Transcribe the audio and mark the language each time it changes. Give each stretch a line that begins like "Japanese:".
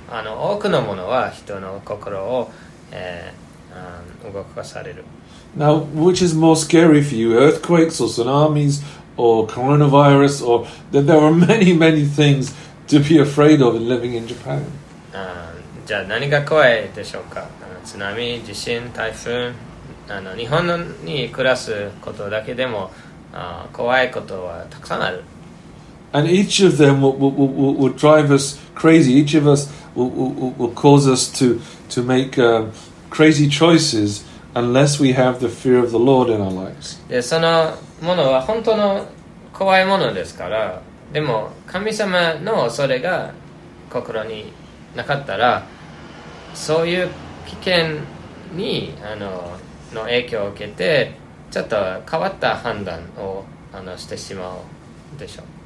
Japanese: 多くのものは人の心を動かされる。
English: Now, which is more scary for you, earthquakes or tsunamis? Or coronavirus, or that there are many, many things to be afraid of in living in Japan.
Japanese: じゃあ何が怖いでしょうか？津波、地震、台風、日本に暮らすことだけでも怖いことはたくさんある。
English: And each of them will drive us crazy. Each of us will cause us to make crazy choices. Unless we have the fear of the Lord in our lives.
Japanese: で、そのものは本当の怖いものですから、でも神様の恐れが心になかったら、そういう危険にの影響を受けてちょっと変わった判断をしてしまうでしょう。